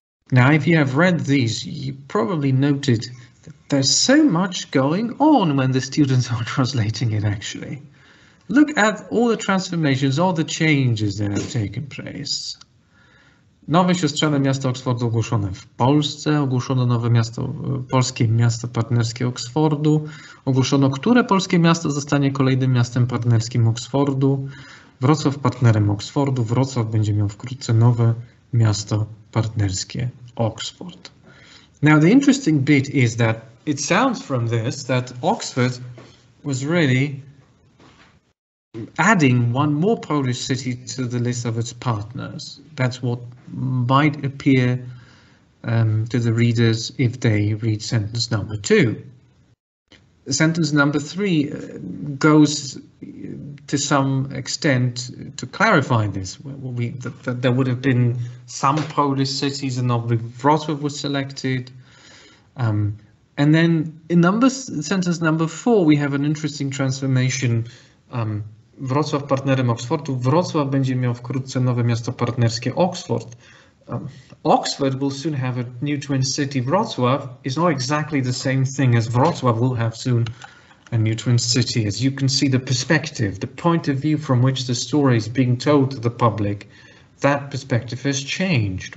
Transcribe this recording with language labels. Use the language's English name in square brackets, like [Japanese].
[English] Now, if you have read these, you probably noted that there's so much going on when the students are translating it, actually. Look at all the transformations, all the changes that have taken place. [Polish] Nowe siostrzane miasto Oxfordu ogłoszone w Polsce, ogłoszono nowe miasto, polskie miasto partnerskie Oxfordu, ogłoszono, które polskie miasto zostanie kolejnym miastem partnerskim Oxfordu, Wrocław partnerem Oxfordu, Wrocław będzie miał wkrótce nowe miasto partnerskie Oxford. [English] Now the interesting bit is that it sounds from this that Oxford was really adding one more Polish city to the list of its partners. That's what might appear to the readers if they read sentence number two. Sentence number three goes to some extent to clarify this. There would have been some Polish cities and not Wrocław was selected. And then in sentence number four, we have an interesting transformation. [Polish] Wrocław partnerem Oxfordu. Wrocław będzie miał wkrótce nowe miasto partnerskie Oxford. [English] Oxford will soon have a new twin city. Wrocław is not exactly the same thing as Wrocław will have soon a new twin city. As you can see, the perspective, the point of view from which the story is being told to the public, that perspective has changed.